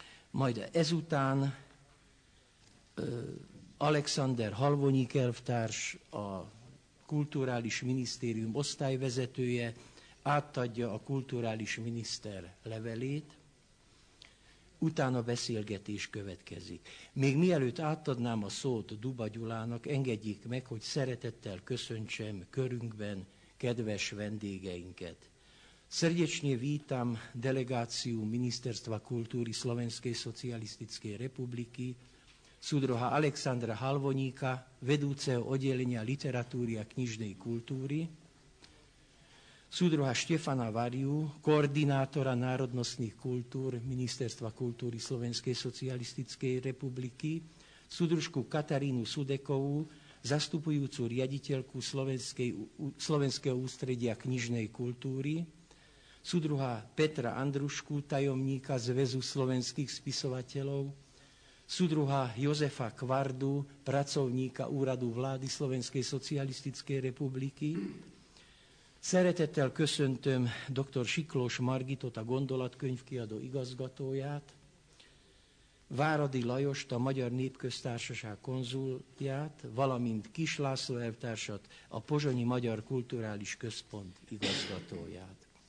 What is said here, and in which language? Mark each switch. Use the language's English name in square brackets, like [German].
[Hungarian] Majd ezután Alexander Halvonyi kelvtárs, a Kulturális Minisztérium osztályvezetője átadja a kulturális miniszter levelét, utána beszélgetés következik. Még mielőtt átadnám a szót Duba Gyulának, engedjék meg, hogy szeretettel köszöntsem körünkben kedves vendégeinket. [Slovak] Srdečne vítam delegáciu Ministerstva kultúry Slovenskej socialistickej republiky, súdruha Alexandra Halvoníka, vedúceho oddelenia literatúry a knižnej kultúry, súdruha Štefana Variu, koordinátora národnostných kultúr Ministerstva kultúry Slovenskej socialistickej republiky, súdružku Katarínu Sudekovú, zastupujúcu riaditeľku Slovenského ústredia knižnej kultúry, súdruha Petra Andrušku, tajomníka Zväzu slovenských spisovateľov, súdruha Jozefa Kvardu, pracovníka Úradu vlády Slovenskej socialistickej republiky. [Hungarian] Szeretettel köszöntöm dr. Siklós Margitot, a gondolatkönyvkiadó igazgatóját, Váradi Lajost, a Magyar Népköztársaság konzulját, valamint Kis László elvtársat, a Pozsonyi Magyar Kulturális Központ igazgatóját.